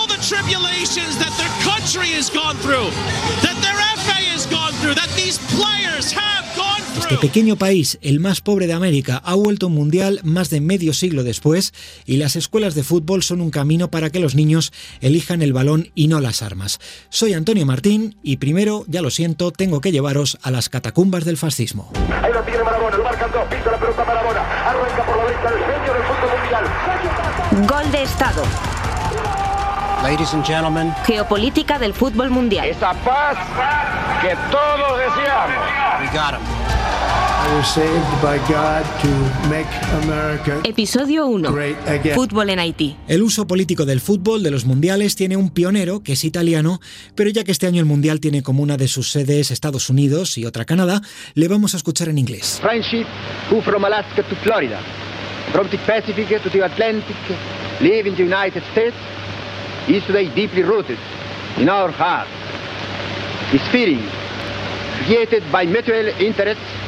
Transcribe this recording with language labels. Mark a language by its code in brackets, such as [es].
[en] Tribulations that their country has gone through, that their FA has [es] Este pequeño país, el más pobre de América, ha vuelto mundial más de medio siglo después y las escuelas de fútbol son un camino para que los niños elijan el balón y no las armas. Soy Antonio Martín y primero, ya lo siento, tengo que llevaros a las catacumbas del fascismo. Ahí la tiene Marabona, lo marcan dos, pisa la pelota Marabona, arranca por la derecha el genio del fútbol mundial. Gol de Estado. [en] Ladies and gentlemen. [es] Geopolítica del fútbol mundial. Esa paz que todos deseamos. [en] We got him. I was saved by God to make America. [es] Episodio 1. Fútbol en Haití. El uso político del fútbol, de los mundiales, tiene un pionero, que es italiano, pero ya que este año el mundial tiene como una de sus sedes Estados Unidos y otra Canadá, le vamos a escuchar en inglés. [en] Friendship, who from Alaska to Florida, from the Pacific to the Atlantic, live in the United States, is today deeply rooted in our heart. This feeling, created by mutual interests,